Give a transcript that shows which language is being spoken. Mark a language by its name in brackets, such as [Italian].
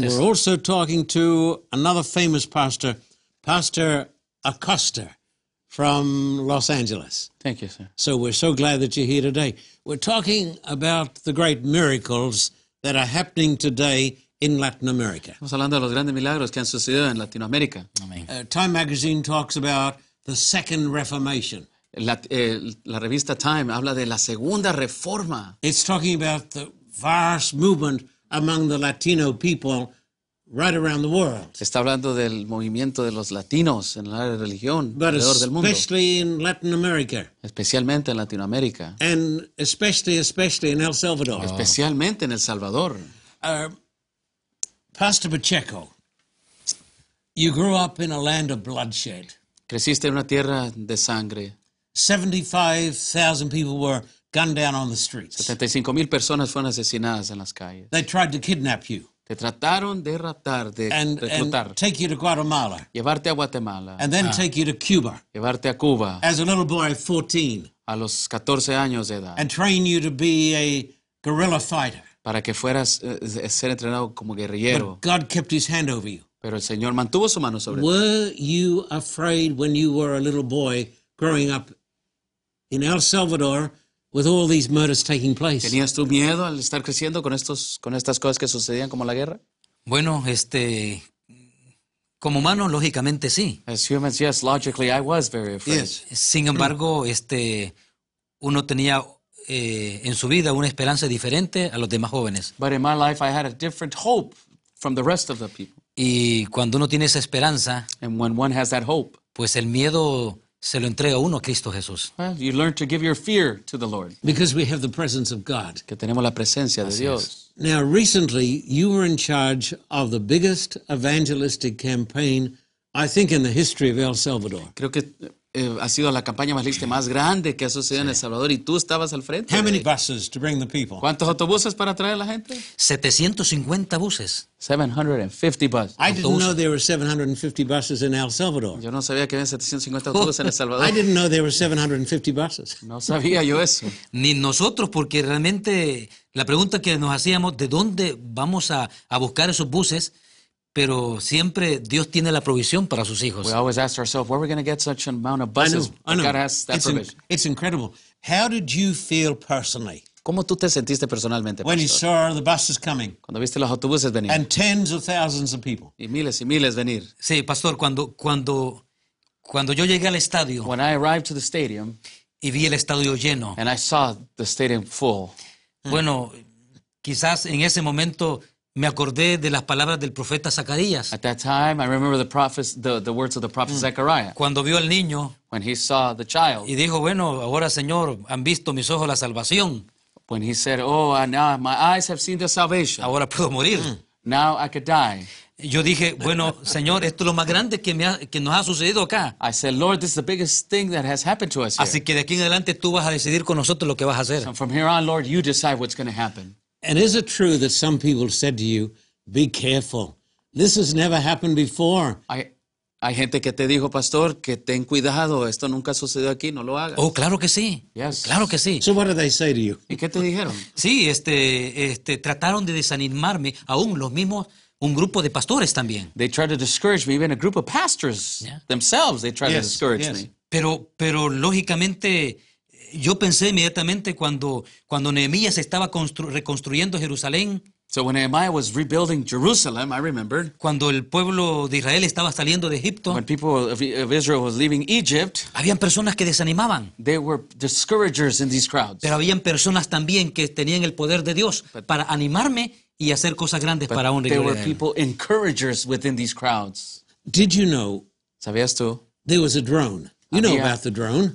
[English] And we're also talking to another famous pastor, Pastor Acosta from Los Angeles. Thank you, sir. So we're so glad that you're here today. We're talking about the great miracles that are happening today in Latin America. [Spanish] Estamos hablando de los grandes milagros que han sucedido en Latinoamérica. [English] Time magazine talks about the second reformation. [Spanish] La revista Time habla de la segunda reforma. [English] It's talking about the vast movement among the Latino people right around the world. [Spanish] Está hablando del movimiento de los latinos en la religión alrededor del mundo. [English] But especially in Latin America. [Spanish] Especialmente en Latinoamérica. [English] And especially in El Salvador. [Spanish] Especialmente en El Salvador. [English] Pastor Pacheco, you grew up in a land of bloodshed. [Spanish] Creciste en una tierra de sangre. [English] 75,000 people were gunned down on the streets. [Spanish] 75,000 personas fueron asesinadas en las calles. [English] They tried to kidnap you. [Spanish] Te trataron de raptar, de reclutar. [English] And take you to Guatemala. [Spanish] Llevarte a Guatemala. [English] And then take you to Cuba. [Spanish] Llevarte a Cuba. [English] As a little boy of 14. [Spanish] A los 14 años de edad. [English] And train you to be a guerrilla fighter. [Spanish] Para que fueras ser entrenado como guerrillero. [English] But God kept his hand over you. [Spanish] Pero el Señor mantuvo su mano sobre ti. [English] Were you afraid when you were a little boy growing up in El Salvador with all these murders taking place? [Spanish] ¿Tenías tú miedo al estar creciendo con estos con estas cosas que sucedían como la guerra? Bueno, como humano lógicamente sí. [English] As humans, yes, logically I was very afraid. Yes. [Spanish] Sin embargo, uno tenía en su vida una esperanza diferente a los demás jóvenes. [English] But in my life I had a different hope from the rest of the people. [Spanish] Y cuando uno tiene esa esperanza, [English] and when one has that hope, [Spanish] pues el miedo se lo entrega uno a Cristo Jesús. [English] Well, you learn to give your fear to the Lord. Because we have the presence of God. [Spanish] Que tenemos la presencia de Dios. [English] Now, recently, you were in charge of the biggest evangelistic campaign, I think, in the history of El Salvador. [Spanish] Creo que ha sido la campaña evangelista más grande que ha sucedido en El Salvador, y tú estabas al frente. [English] How many buses to bring the people? [Spanish] ¿Cuántos autobuses para traer a la gente? [English] 750 buses. [Spanish] 750 buses. [English] I didn't know there were 750 buses in El Salvador. [Spanish] Yo no sabía que había 750 autobuses en El Salvador. [English] I didn't know there were 750 buses. [Spanish] No sabía yo eso. Ni nosotros, porque realmente la pregunta que nos hacíamos, ¿de dónde vamos a buscar esos buses? Pero siempre Dios tiene la provisión para sus hijos. [English] We always ask ourselves, where are we going to get such an amount of buses? I know. God has that provision. It's incredible. How did you feel personally? [Spanish] ¿Cómo tú te sentiste personalmente, [English] when [Spanish] Pastor? [English] You saw the buses coming. [Spanish] Cuando viste los autobuses venir. [English] And tens of thousands of people. [Spanish] Y miles venir. Sí, Pastor, cuando yo llegué al estadio. [English] When I arrived to the stadium. [Spanish] Y vi el estadio lleno. [English] And I saw the stadium full. [Spanish] Bueno, quizás en ese momento me acordé de las palabras del profeta Zacarías. [English] At that time, I remember the words of the prophet Zechariah. [Spanish] Cuando vio al niño. [English] When he saw the child. [Spanish] Y dijo, bueno, ahora Señor, han visto mis ojos la salvación. [English] When he said, oh, now my eyes have seen the salvation. [Spanish] Ahora puedo morir. [English] Now I could die. [Spanish] Yo dije, bueno, Señor, esto es lo más grande que nos ha sucedido acá. [English] I said, Lord, this is the biggest thing that has happened to us here. [Spanish] Así que de aquí en adelante tú vas a decidir con nosotros lo que vas a hacer. [English] So from here on, Lord, you decide what's going to happen. And is it true that some people said to you, be careful, this has never happened before? [Spanish] Hay gente que te dijo, Pastor, que ten cuidado, esto nunca ha sucedido aquí, no lo hagas. Oh, claro que sí. [English] Yes. [Spanish] Claro que sí. [English] So what did they say to you? [Spanish] ¿Y qué te dijeron? Sí, trataron de desanimarme, aún los mismos, un grupo de pastores también. [English] They tried to discourage me, even a group of pastors themselves, they tried to discourage me. [Spanish] Pero lógicamente, yo pensé inmediatamente cuando Nehemías estaba reconstruyendo Jerusalén. [English] So when Nehemiah was rebuilding Jerusalem, I remembered. [Spanish] Cuando el pueblo de Israel estaba saliendo de Egipto. [English] When people of Israel was leaving Egypt. [Spanish] Habían personas que desanimaban. [English] There were discouragers in these crowds. [Spanish] Pero habían personas también que tenían el poder de Dios para animarme y hacer cosas grandes para honrar a Dios. [English] But there were people encouragers within these crowds. Did you know? [Spanish] ¿Sabías tú? [English] There was a drone. You know about the drone.